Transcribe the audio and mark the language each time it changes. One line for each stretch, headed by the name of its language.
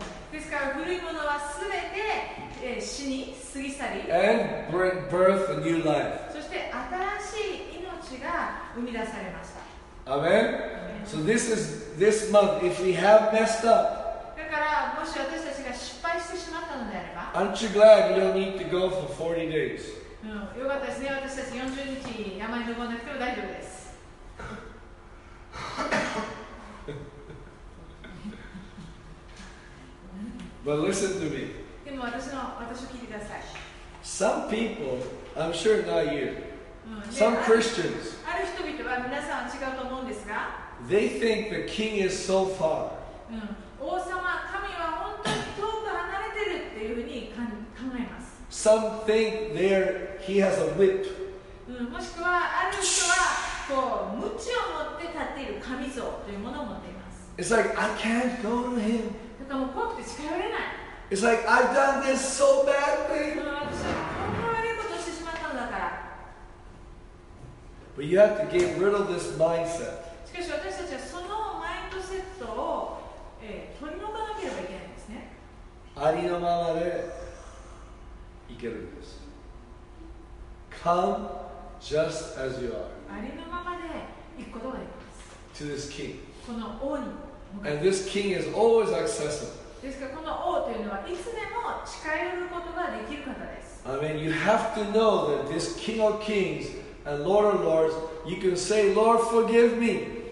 Japanese: ですから古いものはすべて死に過ぎ去り
English: And birth a new life.
Japanese: そして新しい命が生み出されました
English: Amen. So this is this month if we have messed up
Japanese: だからもし私たちが失敗してしまったのであれば
English: Aren't you glad you don't need to go for 40 days?
Japanese: よかったですね私たち40日山に登らなくても大丈夫です
English: But listen to me.
Japanese: でも私を聞いてください。
English: Some people, I'm sure not you, some Christians,
Japanese: ある人々は皆さんは違うと思うんですが、
English: they think the king is so far.
Japanese: 王様、神は本当に遠く離れてるっていうふうに考えます。
English: Some think there he has a whip.
Japanese: もしくはある人はこう、鞭を持って立っている神像というものを持っています。
English: It's like, I can't go to him.
Japanese: もう怖くて近寄れない。
English: It's like I've done this so badly.
Japanese: 私はこんな悪いことをしてしまったのだから。
English: But you have to get rid of this mindset.
Japanese: しかし私たちはそのマインドセットを、取り除かなければいけないんですね。ありのままでいけるんです。
English: Come just as you are.
Japanese: ありのままで行くことができます。
English: To this king.
Japanese: この王に。
English: And this king is always accessible.
Japanese: ですからこの王というのはいつでも近寄ることができる方です。
English: I mean, you have to know that this King of Kings and Lord of Lords, you can say, Lord, forgive me.